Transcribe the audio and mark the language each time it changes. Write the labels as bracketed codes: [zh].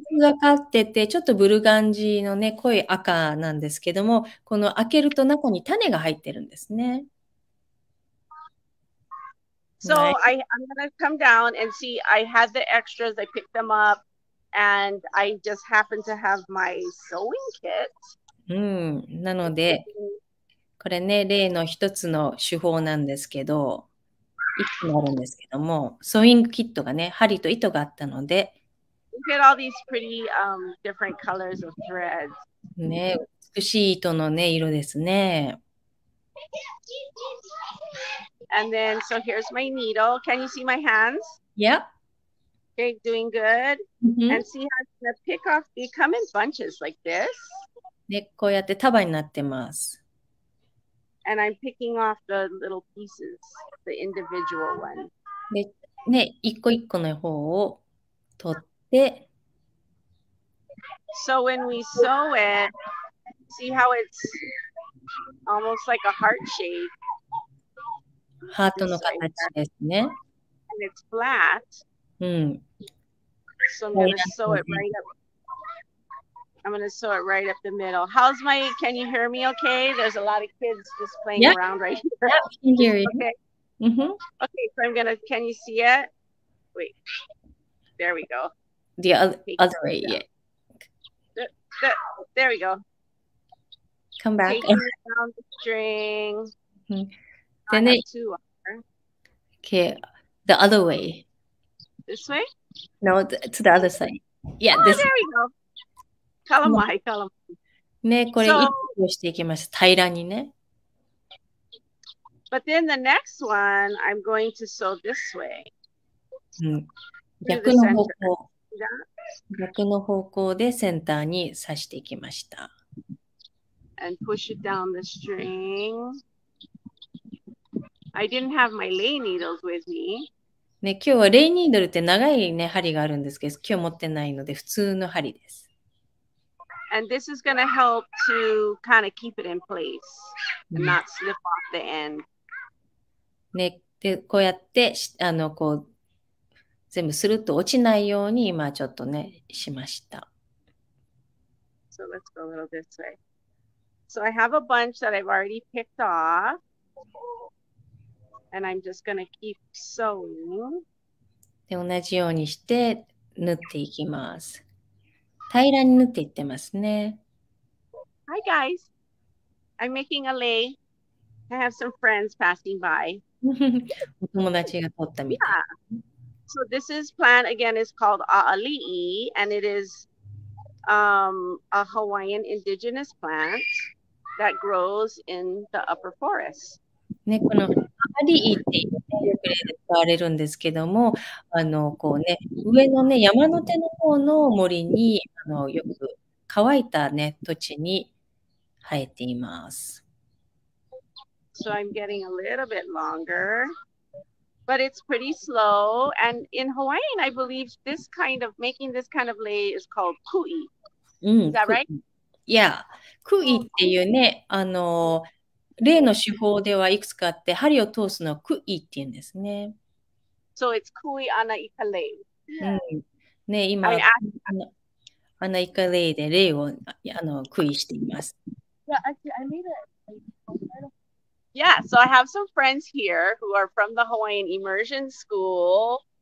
[ja] クがかってて、ちょっとブルガンジーのね、濃い赤なんですけども、この開けると中に種が入ってるんですね。 [en] So I'm gonna come down and see. I had the extras, I picked them up, and I just happened to have my sewing kit. [ja] うん、なので、これね、例の一つの手法なんですけど、いくつもあるんですけども、ソーイングキットがね、針と糸があったので。 [en] Look at all these pretty, different colors of threads. [ja] ね、美しい糸のね、色ですね。 [en] And then, so here's my needle. Can you see my hands? Yep. Okay, doing good.、Mm-hmm. And see how it's gonna pick off, they come in bunches like this. [ja] ね、こうやって束になってます。 [en] And I'm picking off the little pieces, the individual one. [ja] で、ね、一個一個の方を取って。 [en] So when we sew it, see how it's almost like a heart shape. [ja] ハートの形ですね。 [en] And it's flat. [ja] うん。 [en] So I'm gonna sew it right up. I'm going to sew it right up the middle. How's my, can you hear me okay? There's a lot of kids just playing yeah. around right here. Yeah, I can hear you. Okay. Mm-hmm. Okay, so I'm going to, can you see it? Wait, there we go. The other way, yeah. There we go. Come back. Taking down the string. Then it, okay, the other way. This way? No, to the other side. Yeah, oh, this there we go. [ja] ね、これ一個していきます。平らにね。 [en] But then the next one, I'm going to sew this way. [ja] 逆の方向。逆の方向でセンターに刺していきました。 [en] And push it down the string. I didn't have my lay needles with me. [ja] ね、今日はレイニードルって長いね、針があるんですけど、今日持ってないので普通の針です。 [en] And this is going to help to kind of keep it in place and not slip off the end. [ja] ね、で、こうやって、こう、全部スルッと落ちないように今ちょっとね、しました。 [en] So let's go a little this way. So I have a bunch that I've already picked off. And I'm just going to keep sewing. [ja] で、同じようにして縫っていきます。平らに縫っていってますね。 [en] Hi guys. I'm making a lei. I have some friends passing by. [ja] お友達が撮ったみたい。 [en] Yeah. So this is plant again is called a'ali'i and it is a Hawaiian indigenous plant that grows in the upper forest. [ja] ね、このa'ali'i って使われるんですけども、こうね、上のね、山の手の方の森に、よく乾いたね、土地に生えています。 [en] So I'm getting a little bit longer, but it's pretty slow. And in Hawaiian, I believe this kind of making this kind of lei is called kui. Is that right? [ja] Yeah. Kui っていうね、例の手法ではいくつかあって、針を通すのはクイっていうんですね。 [en] So it's クイアナイカレイ。 [ja] うん。ね、今、アナイカレイでレイをクイしています。 [en] Yeah, so I have some friends here who are from the Hawaiian Immersion School.